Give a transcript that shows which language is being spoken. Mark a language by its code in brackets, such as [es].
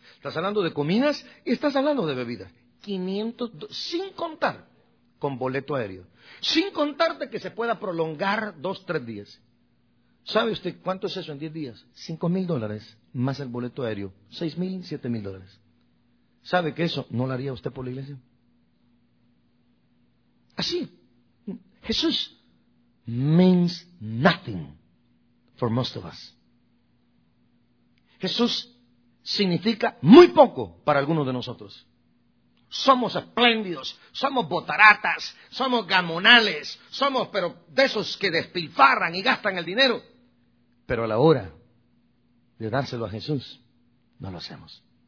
[es] Estás hablando de comidas y estás hablando de bebidas. 500, sin contar con boleto aéreo. Sin contar de que se pueda prolongar dos, tres días. ¿Sabe usted cuánto es eso en 10 días? $5,000 más el boleto aéreo. $6,000, $7,000. ¿Sabe que eso no lo haría usted por la iglesia? Así. [en] Jesús means nothing for most of us. [es] Jesús significa muy poco para algunos de nosotros. Somos espléndidos, somos botaratas, somos gamonales, somos pero de esos que despilfarran y gastan el dinero. Pero a la hora de dárselo a Jesús, no lo hacemos.